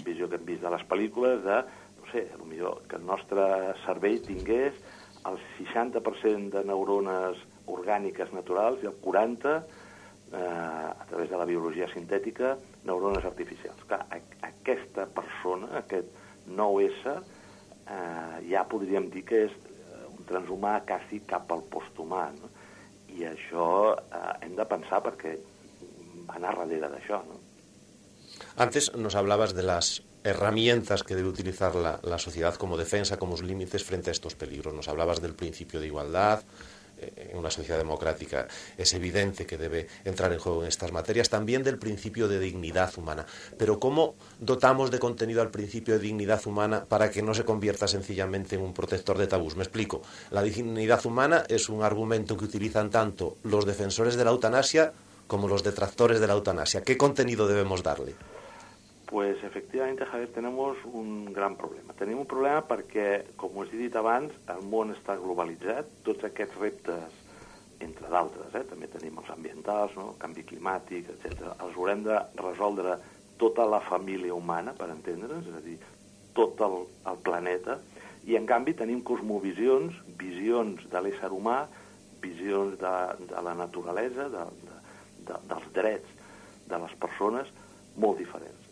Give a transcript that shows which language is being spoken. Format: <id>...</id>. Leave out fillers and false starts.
<ca>Visió que hem vist de les pel·lícules, de, no sé, potser que el nostre cervell tingués el 60% de neurones orgàniques naturals i el 40% a través de la biologia sintètica, neurones artificials. Clar, aquesta persona, aquest nou ésser, ja podríem dir que és un transhumà quasi cap al posthumà, no? I això hem de pensar perquè va anar darrere d'això, no?</ca> <es>Antes nos hablabas de las herramientas que debe utilizar la sociedad como defensa, como sus límites frente a estos peligros. Nos hablabas del principio de igualdad. En una sociedad democrática es evidente que debe entrar en juego en estas materias, también del principio de dignidad humana. Pero ¿cómo dotamos de contenido al principio de dignidad humana para que no se convierta sencillamente en un protector de tabús? Me explico. La dignidad humana es un argumento que utilizan tanto los defensores de la eutanasia como los detractores de la eutanasia. ¿Qué contenido debemos darle? Pues efectivamente, Javier, tenemos un gran problema.</es> <ca>Tenim un problema perquè, com us he dit abans, el món està globalitzat, tots aquests reptes, entre d'altres, també tenim els ambientals, no?, canvi climàtic, etc. Els haurem de resoldre tota la família humana, per entendre'ns, és a dir, tot el planeta, i en canvi tenim cosmovisions, visions de l'ésser humà, visions de la naturalesa, dels drets de les persones, molt diferents.</ca>